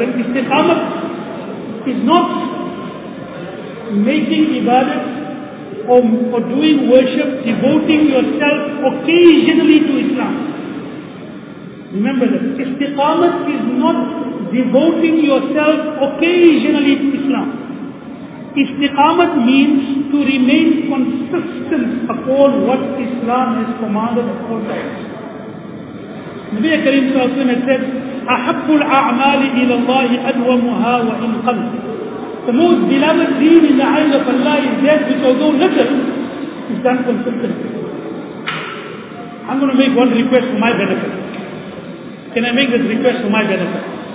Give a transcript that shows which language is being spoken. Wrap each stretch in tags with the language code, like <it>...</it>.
<en>That is istiqamah is not making ibadat or doing worship, devoting yourself occasionally to Islam. Remember that. Istiqamah is not devoting yourself occasionally to Islam. Istiqamah means to remain consistent upon what Islam has commanded at all times.</en> <ar>Nabi Kareem Sallallahu Alaihi Wasallam said, أَحَبُّ الْأَعْمَالِ إِلَى اللَّهِ أَدْوَمُهَا وَإِنْ قَلْبِ.</ar> <en>The most beloved deen in the eyes of Allah is that which, although little, is done consistently. I'm going to make one request for my benefit. Can I make this request for my benefit?</en>